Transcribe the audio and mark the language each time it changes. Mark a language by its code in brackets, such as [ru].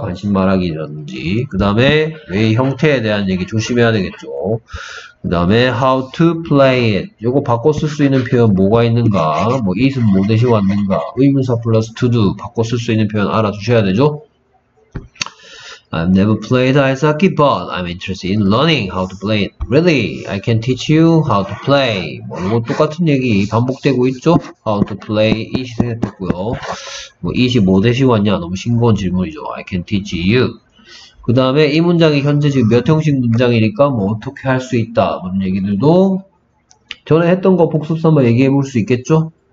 [ko] 관심 말하기라든지 그 다음에 왜 형태에 대한 얘기 조심해야 되겠죠. 그 다음에 [en] how to play it. [ko] 이거 바꿔 쓸 수 있는 표현 뭐가 있는가? 뭐 is 뭐 대신 왔는가? 의문사 플러스 to do 바꿔 쓸 수 있는 표현 알아주셔야 되죠. [en] I've never played ice hockey, but I'm interested in learning how to play it. Really? I can teach you how to play. [ko] 뭐, 이거 똑같은 얘기 반복되고 있죠? [en] How to play is [ko] 생각했고요. 뭐, is 뭐 대신 왔냐? 너무 싱거운 질문이죠. [en] I can teach you. [ko] 그 다음에 이 문장이 현재 지금 몇 형식 문장이니까 뭐, 어떻게 할 수 있다? 그런 얘기들도 전에 했던 거 복습서 한번 얘기해 볼 수 있겠죠?